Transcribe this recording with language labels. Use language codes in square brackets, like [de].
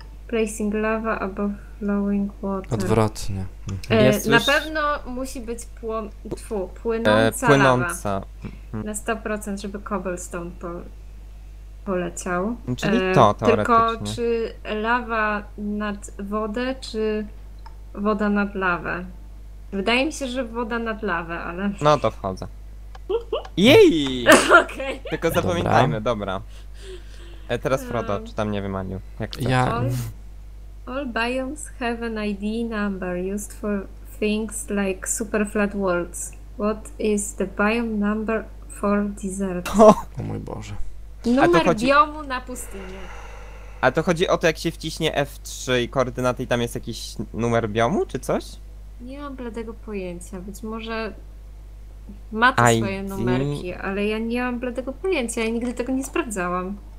[en] Placing lava above flowing water. [pl] Odwrotnie. Jest na już... pewno musi być płynąca lawa. Na 100%, żeby cobblestone poleciał. Czyli to teoretycznie. Tylko czy lawa nad wodę, czy woda nad lawę? Wydaje mi się, że woda nad lawę, ale... No to wchodzę. Jej! Okay. Tylko zapamiętajmy, dobra. Teraz Frodo, czy tam nie wymanił? Jak ja... [en] All biomes have an ID number used for things like super flat worlds. What is the biome number for desert? [pl] O mój Boże. Numer chodzi... biomu na pustyni. A to chodzi o to, jak się wciśnie F3 i koordynaty i tam jest jakiś numer biomu, czy coś? Nie mam bladego pojęcia. Być może ma to ID? Swoje numerki, ale ja nie mam bladego pojęcia. Ja nigdy tego nie sprawdzałam.